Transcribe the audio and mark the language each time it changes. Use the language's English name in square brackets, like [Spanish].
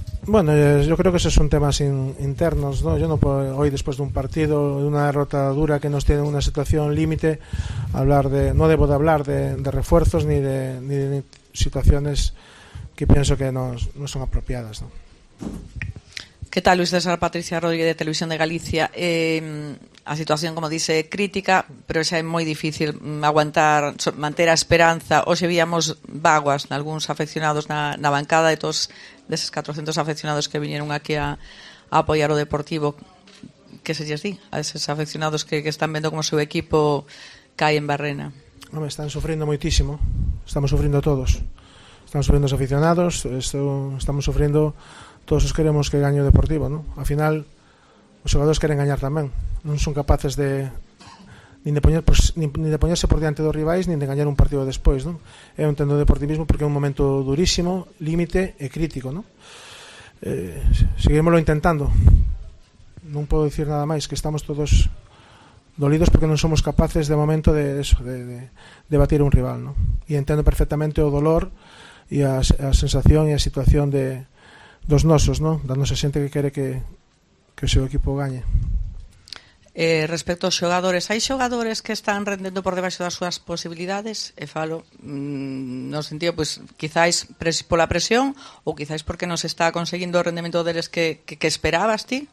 [Spanish] Bueno, yo creo que eso es un tema sin internos, ¿no? Yo no puedo hoy, después de un partido, de una derrota dura que nos tiene en una situación límite, no debo hablar de refuerzos ni de situaciones que pienso que no son apropiadas, ¿no? ¿Qué tal, Luis César? Patricia Rodríguez, de Televisión de Galicia. [Galician] A situación, [Spanish] como dice, [Galician] crítica, pero xa é moi difícil aguantar, manter a esperanza. Hoxe víamos vaguas nalgúns afeccionados na bancada de todos deses 400 afeccionados que viñeron aquí a apoiar o Deportivo. Que se lles di a deses afeccionados que están vendo como seu equipo cae en barrena? Home, están sofrendo moitísimo. Estamos sofrendo todos. Estamos sofrendo os aficionados, estamos sofrendo todos os queremos que gañe o Deportivo, ¿no? Al final, os xogadores queren gañar tamén. Non son capaces de nin de poñerse por diante dos rivais, nin de gañar un partido despois, ¿no? É un tendo de deportivismo porque é un momento durísimo, límite e crítico, ¿no? Seguiremoslo intentando. Non podo dicir nada máis, que estamos todos dolidos porque non somos capaces de momento de eso, de batir un rival, ¿no? E entendo perfectamente o dolor e a sensación e a situación de dos nosos, ¿no? Da nosa xente que quere que o seu equipo gañe. Respecto aos xogadores, hai xogadores que están rendendo por debaixo das súas posibilidades? E falo no sentido, pues, quizáis pola presión ou quizáis porque non se está conseguindo o rendemento deles que esperabas ti?